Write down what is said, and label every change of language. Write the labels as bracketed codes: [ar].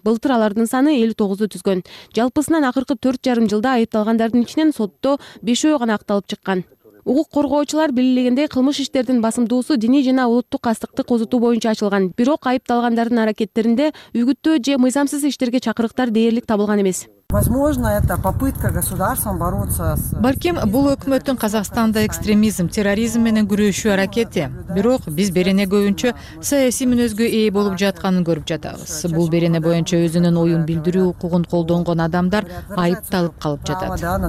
[ky] Былтыр алардын саны 59 түзгөн. Жалпысынан акыркы 4,5 жылда айыпталгандардын ичинен сотто 5 гана акталып чыккан. Укук коргоочулар белгилегендей, кылмыш иштердин басымдуусу диний жана улуттук кастыкты козутуу боюнча ачылган. Бирок айыпталгандардын аракеттеринде үгүттөө же мыйзамсыз иштерге чакырыктар дээрлик табылган эмес. [ru] Возможно, это попытка государством бороться с [ky] Балким бул өкмөттүн Казакстанда экстремизм, терроризм менен күрөшүү аракети. Бирок биз берене көбүнчө саясий мүнөзгө ээ болуп жатканын көрүп жатабыз. Бул берене боюнча өзүнүн оюн билдирүү укугун колдонгон адамдар айыпталып калып жатат.